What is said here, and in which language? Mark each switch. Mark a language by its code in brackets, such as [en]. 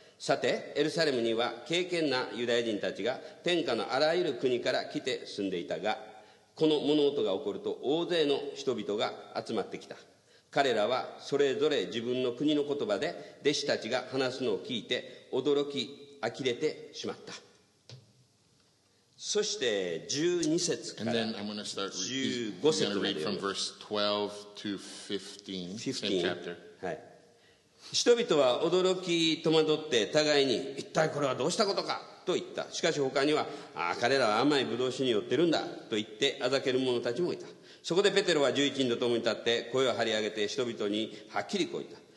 [ja] さて、エルサレムには敬虔なユダヤ人たちが天下のあらゆる国から来て住んでいたが、この物音が起こると大勢の人々が集まってきた。彼らはそれぞれ自分の国の言葉で弟子たちが話すのを聞いて驚き呆れてしまった。そして12節から15節まで読みます。 [en] And then I'm going to start reading. I'm going to read from verse 12 to 15. 15. Same chapter. [ja] はい。人々は驚き戸惑って互いに一体これはどうしたことかと言った。しかし他にはああ彼らは甘いブドウ酒に酔ってるんだと言ってあざける者たちもいた。そこでペテロは11人と共に立って声を張り上げて人々にはっきりこう言った。